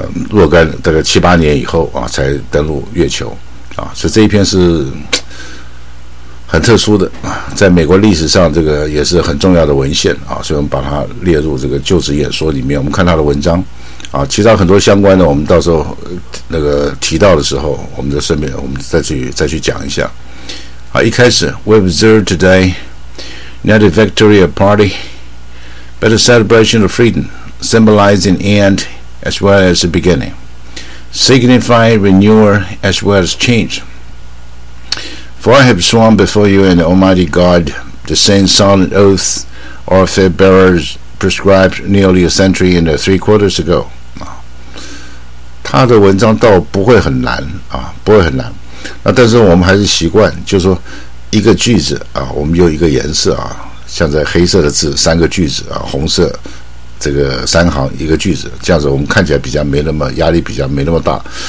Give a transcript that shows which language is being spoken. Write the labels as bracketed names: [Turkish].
[Chinese] 若干大概七八年以后啊才登陆月球啊，所以这一篇是很特殊的啊，在美国历史上这个也是很重要的文献啊，所以我们把它列入这个就职演说里面。我们看他的文章啊，其他很多相关的我们到时候那个提到的时候我们就顺便我们再去讲一下啊。一开始 [English] We observe today not a victory of party but a celebration of freedom symbolizing endas well as the beginning, signifying renewal as well as change. For I have sworn before you and the Almighty God, the same solemn oath our faith bearers prescribed nearly a century and three quarters ago. [Chinese] 他的文章倒不会很难啊，不会很难。那但是我们还是习惯，就是说一个句子啊，我们用一个颜色啊，像在黑色的字三个句子啊，红色。这个三行一个句子，这样子我们看起来比较没那么压力，比较没那么大。